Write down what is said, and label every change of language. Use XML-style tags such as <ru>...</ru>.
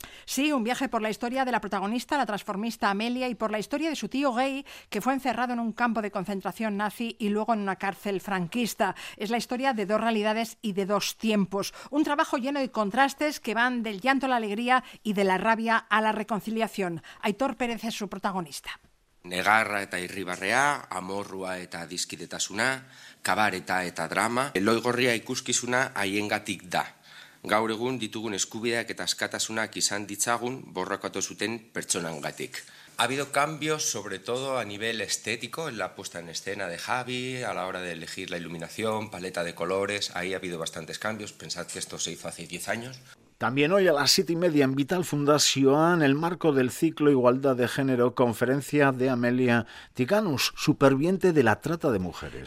<es>Sí, un viaje por la historia de la protagonista, la transformista Amelia, y por la historia de su tío gay, que fue encerrado en un campo de concentración nazi y luego en una cárcel franquista. Es la historia de dos realidades y de dos tiempos. Un trabajo lleno de contrastes que van del llanto a la alegría y de la rabia a la reconciliación. Aitor Pérez es su protagonista.</es> <eu>Negarra eta irribarrea, amorrua eta dizkidetasuna, kabareta eta drama, Eloigorria ikuskizuna haiengatik da. Gaur egun ditugun eskubideak eta askatasunak izan ditzagun borrakatu zuten pertsonangatik.</eu> <es>Ha habido cambios sobre todo a nivel estético en la puesta en escena de Javi, a la hora de elegir la iluminación, paleta de colores, ahí ha habido bastantes cambios, pensad que esto se hizo hace 10 años. También hoy a las 7:30 en Vital Fundación, el marco del ciclo Igualdad de Género, conferencia de Amelia Tiganus, superviviente de la trata de mujeres.</es>